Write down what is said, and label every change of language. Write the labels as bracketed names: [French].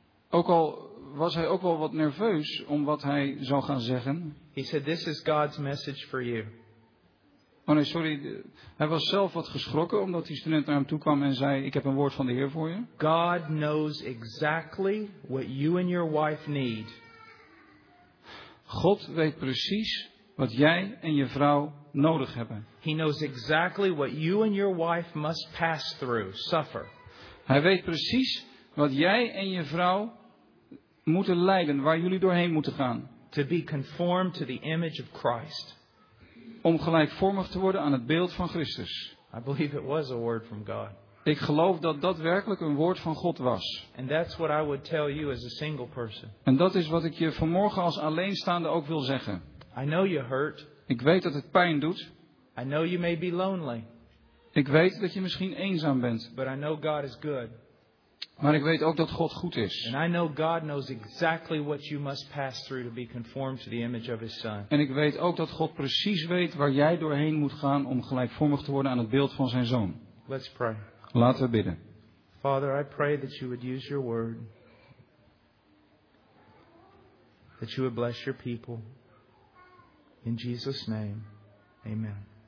[Dutch] Ook al was hij ook wel wat nerveus om wat hij zou gaan zeggen. [English] He said, this is God's message for you. [Dutch] Oh nee, sorry. Hij was zelf wat geschrokken omdat die student naar hem toe kwam en zei, ik heb een woord van de Heer voor je. [English] God knows exactly what you and your wife need. [Dutch] God weet precies wat jij en je vrouw nodig hebben. [English] He knows exactly what you and your wife must pass through, suffer. [Dutch] Hij weet precies wat jij en je vrouw moeten lijden, waar jullie doorheen moeten gaan. [English] To be conformed to the image of Christ. [Dutch] Om gelijkvormig te worden aan het beeld van Christus. [English] I believe it was a word from God. [Dutch] Ik geloof dat dat werkelijk een woord van God was. [English] And that's what I would tell you as a single person. [Dutch] En dat is wat ik je vanmorgen als alleenstaande ook wil zeggen. [English] I know you hurt. [Dutch] Ik weet dat het pijn doet. [English] I know you may be lonely. [Dutch] Ik weet dat je misschien eenzaam bent. [English] But I know God is good. [Dutch] Maar ik weet ook dat God goed is. [English] And I know God knows exactly what you must pass through to be conformed to the image of his son. [Dutch] En ik weet ook dat God precies weet waar jij doorheen moet gaan om gelijkvormig te worden aan het beeld van zijn zoon. [English] Let's pray. [Dutch] Laten we bidden. [English] Father, I pray that you would use your word. That you would bless your people. In Jesus' name. Amen.